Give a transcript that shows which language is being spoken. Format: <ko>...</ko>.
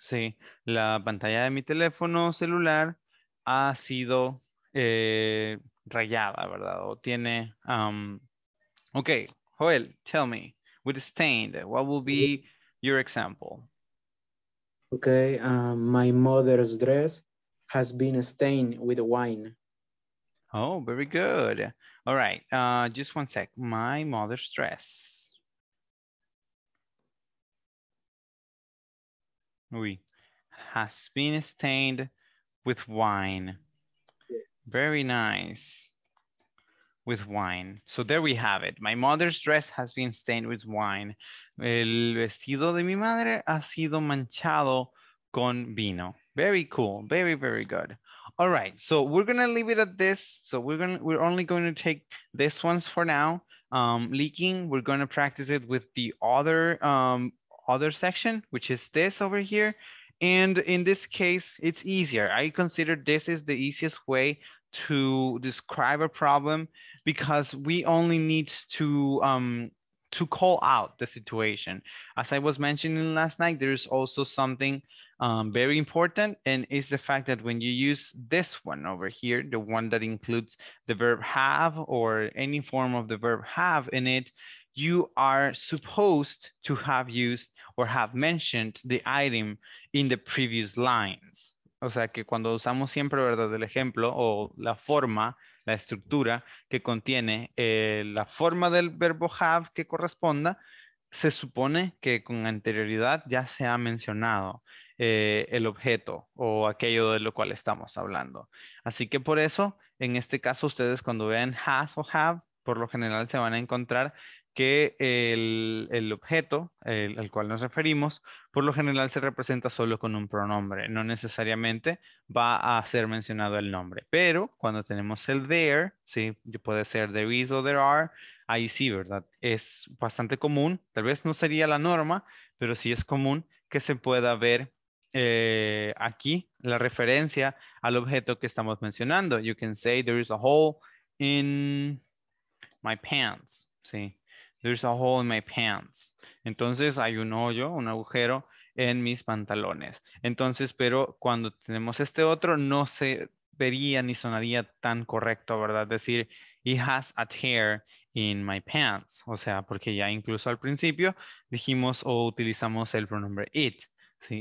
<es>Sí, la pantalla de mi teléfono celular ha sido rayada, ¿verdad? O tiene.</es> <en>Okay, Joel, tell me, with stained, what will be your example? Okay, my mother's dress has been stained with wine. Oh, very good. All right, just one sec. My mother's dress. Oui. Has been stained with wine. Very nice. With wine. So there we have it. My mother's dress has been stained with wine.</en> <es>El vestido de mi madre ha sido manchado con vino.</es> <en>Very cool. Very, very good. All right. So we're going to leave it at this. So we're only going to take this ones for now. Leaking, we're going to practice it with the other section, which is this over here. And in this case, it's easier. I consider this is the easiest way to describe a problem, because we only need to call out the situation. As I was mentioning last night, there's also something very important, and it's the fact that when you use this one over here, the one that includes the verb have or any form of the verb have in it, you are supposed to have used or have mentioned the item in the previous lines.</en> <es>O sea, que cuando usamos siempre, ¿verdad?, el ejemplo o la forma, la estructura que contiene la forma del verbo have que corresponda, se supone que con anterioridad ya se ha mencionado el objeto o aquello de lo cual estamos hablando. Así que por eso, en este caso, ustedes cuando vean has o have, por lo general se van a encontrar que el objeto al cual nos referimos, por lo general se representa solo con un pronombre. No necesariamente va a ser mencionado el nombre. Pero cuando tenemos el there, sí, puede ser there is o there are, ahí sí, ¿verdad? Es bastante común, tal vez no sería la norma, pero sí es común que se pueda ver aquí la referencia al objeto que estamos mencionando.</es> <en>You can say there is a hole in my pants, sí. There's a hole in my pants.</en> <es>Entonces hay un hoyo, un agujero en mis pantalones. Entonces, pero cuando tenemos este otro, no se vería ni sonaría tan correcto, ¿verdad?</es> <en>Decir, he has a tear in my pants.</en> <es>O sea, porque ya incluso al principio dijimos o utilizamos el pronombre it. ¿Sí?</es>